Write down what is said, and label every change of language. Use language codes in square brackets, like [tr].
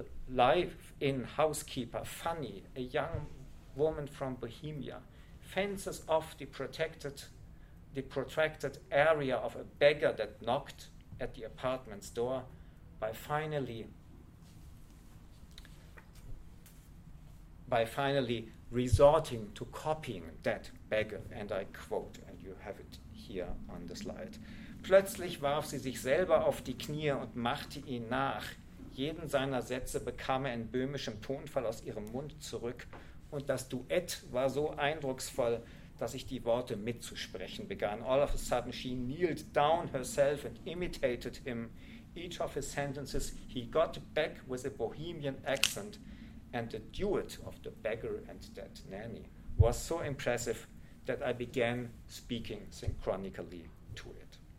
[en] live-in housekeeper Fanny, a young woman from Bohemia, fences off the protracted area of a beggar that knocked at the apartment's door by finally resorting to copying that beggar, and I quote, and you have it here on the slide. [de] Plötzlich warf sie sich selber auf die Knie und machte ihn nach. Jeden seiner Sätze bekam er in böhmischem Tonfall aus ihrem Mund zurück, und das Duett war so eindrucksvoll, dass ich die Worte mitzusprechen begann. [en] All of a sudden she kneeled down herself and imitated him. Each of his sentences he got back with a Bohemian accent, and the duet of the beggar and that nanny was so impressive that I began speaking synchronically to it.